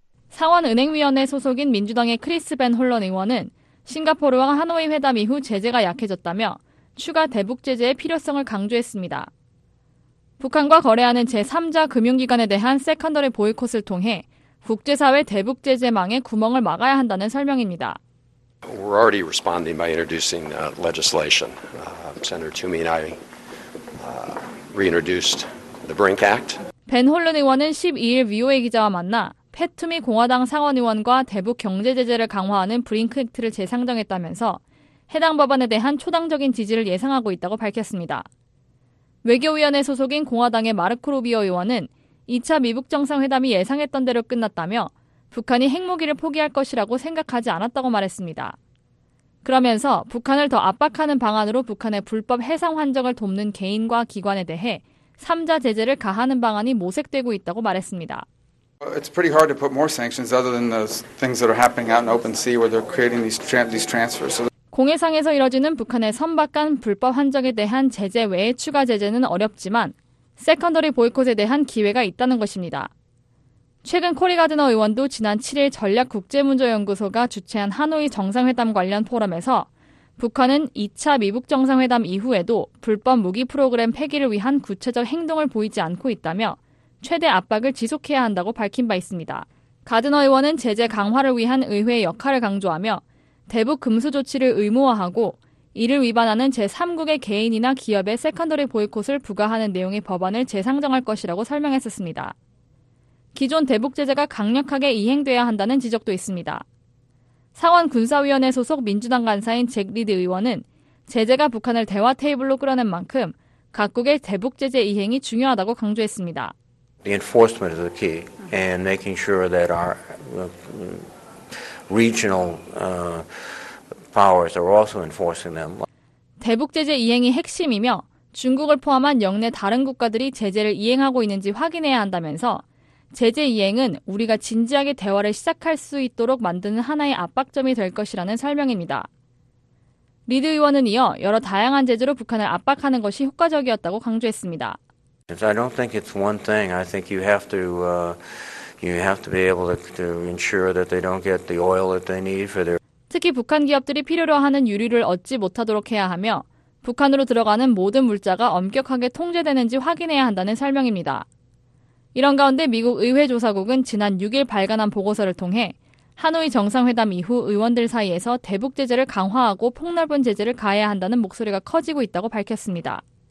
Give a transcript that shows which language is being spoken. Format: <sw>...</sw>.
<ko>상원은행위원회 소속인 민주당의 크리스 밴 홀런 의원은 싱가포르와 하노이 회담 이후 제재가 약해졌다며 추가 대북 제재의 필요성을 강조했습니다. 북한과 거래하는 제3자 금융기관에 대한 세컨더리 보이콧을 통해 국제사회 대북 제재망의 구멍을 막아야 한다는 설명입니다.</ko> <en>We're already responding by introducing legislation. Senator Toomey and I reintroduced the Brink Act.</en> <ko>벤 홀런 의원은 12일 VOA 기자와 만나 팻 투미 공화당 상원 의원과 대북 경제 제재를 강화하는 브링크 액트를 재상정했다면서 해당 법안에 대한 초당적인 지지를 예상하고 있다고 밝혔습니다. 외교위원회 소속인 공화당의 마르코 루비오 의원은 2차 미북 정상회담이 예상했던 대로 끝났다며 북한이 핵무기를 포기할 것이라고 생각하지 않았다고 말했습니다. 그러면서 북한을 더 압박하는 방안으로 북한의 불법 해상 환적을 돕는 개인과 기관에 대해 3자 제재를 가하는 방안이 모색되고 있다고 말했습니다.</ko> <en>It's pretty hard to put more sanctions other than those things that are happening out in open sea where they're creating these transfers.</en> <ko>공해상에서 이뤄지는 북한의 선박 간 불법 환적에 대한 제재 외에 추가 제재는 어렵지만 세컨더리 보이콧에 대한 기회가 있다는 것입니다. 최근 코리 가드너 의원도 지난 7일 전략국제문제연구소가 주최한 하노이 정상회담 관련 포럼에서 북한은 2차 미북 정상회담 이후에도 불법 무기 프로그램 폐기를 위한 구체적 행동을 보이지 않고 있다며 최대 압박을 지속해야 한다고 밝힌 바 있습니다. 가드너 의원은 제재 강화를 위한 의회의 역할을 강조하며 대북 금수 조치를 의무화하고 이를 위반하는 제3국의 개인이나 기업의 세컨더리 보이콧을 부과하는 내용의 법안을 재상정할 것이라고 설명했었습니다. 기존 대북 제재가 강력하게 이행돼야 한다는 지적도 있습니다. 상원 군사위원회 소속 민주당 간사인 잭 리드 의원은 제재가 북한을 대화 테이블로 끌어낸 만큼 각국의 대북 제재 이행이 중요하다고 강조했습니다.</ko> <en>The enforcement is the key, and making sure that our regional powers are also enforcing them.</en> <ko>대북 제재 이행이 핵심이며 중국을 포함한 영내 다른 국가들이 제재를 이행하고 있는지 확인해야 한다면서 제재 이행은 우리가 진지하게 대화를 시작할 수 있도록 만드는 하나의 압박점이 될 것이라는 설명입니다. 리드 의원은 이어 여러 다양한 제재로 북한을 압박하는 것이 효과적이었다고 강조했습니다.</ko> <en>I don't think it's one thing. I think you have to be able to ensure that they don't get the oil that they need for their.</en> <ko>특히 북한 기업들이 필요로 하는 유류를 얻지 못하도록 해야 하며 북한으로 들어가는 모든 물자가 엄격하게 통제되는지 확인해야 한다는 설명입니다. 이런 가운데 미국 의회 조사국은 지난 6일 발간한 보고서를 통해 하노이 정상회담 이후 의원들 사이에서 대북 제재를 강화하고 폭넓은 제재를 가해야 한다는 목소리가 커지고 있다고 밝혔습니다.</ko>